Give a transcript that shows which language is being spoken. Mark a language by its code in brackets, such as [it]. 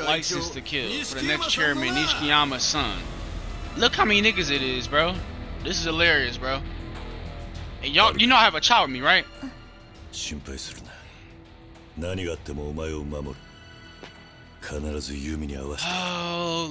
[ja] あんたやら。4代目から直々のご褒美が出る。4代目。金持ちいい女もな。なんで、ぶち込まれても釣りが来るぜ。今夜は暑いぜ。なんせ殺しのお墨付きだ。次期会長、錦山さん。 [en] Look how many niggas it is, bro. This is hilarious, bro. And y'all, you know I have a child with me, right? [ja] 心配するな。何があってもお前を守る。必ずユミに合わせて。 [en] Oh,